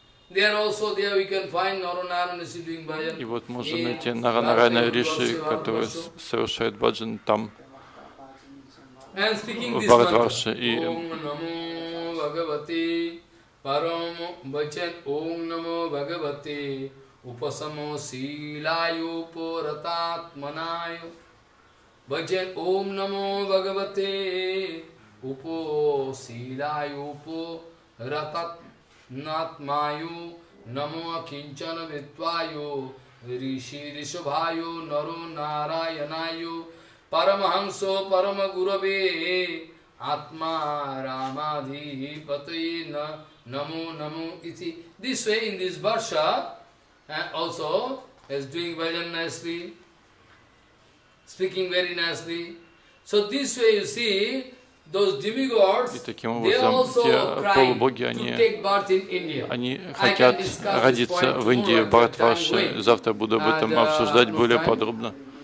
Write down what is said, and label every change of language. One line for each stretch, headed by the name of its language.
English: There also there we can find Naranarayan is doing bhajan.
Russian: И вот можно найти Наранарайана Риши, который совершает бхаджан там.
English: And speaking this Bhagavatam.
Sanskrit: Ом Намо Бхагавате Парам Бхаджан Ом Намо Бхагавате Упасамо Силайо Порататманайо Бхаджан Ом Намо Бхагавате Упо Силайо Порататманайо Натмаю, Намо Акинчана Витваю, Риши Ришабхаю, Нару Нараянаю, Парамахамсо Парамагураве, Атма Рамадхи Патайи Намо Намо Ити.
English: This way, in this Varsha, also, is doing bhajan nicely, speaking very nicely. So this way, you see, those demigods,
Russian: и таким образом, те полубоги, они хотят родиться в Индии, в Бхаратварше. Завтра буду об этом обсуждать более подробно.